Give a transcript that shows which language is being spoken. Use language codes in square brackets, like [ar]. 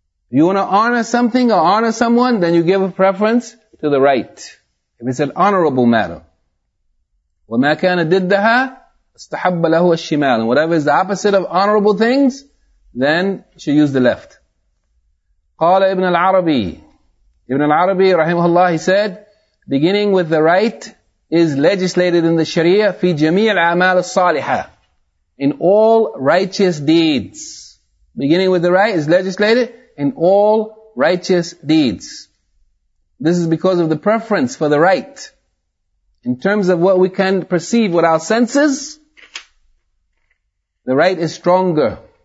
[en] You want to honor something or honor someone, then you give a preference to the right. If it's an honorable matter. [ar] وَمَا كَانَ دِدَّهَا اسْتَحَبَّ لَهُ الشِّمَالِ. [en] And whatever is the opposite of honorable things, then you should use the left. [ar] قال ابن العربي رحمه الله, [en] he said, beginning with the right, is legislated in the Sharia, [ar] في جميع الأعمال الصالحة, [en] in all righteous deeds. Beginning with the right is legislated in all righteous deeds. This is because of the preference for the right. In terms of what we can perceive with our senses, the right is stronger.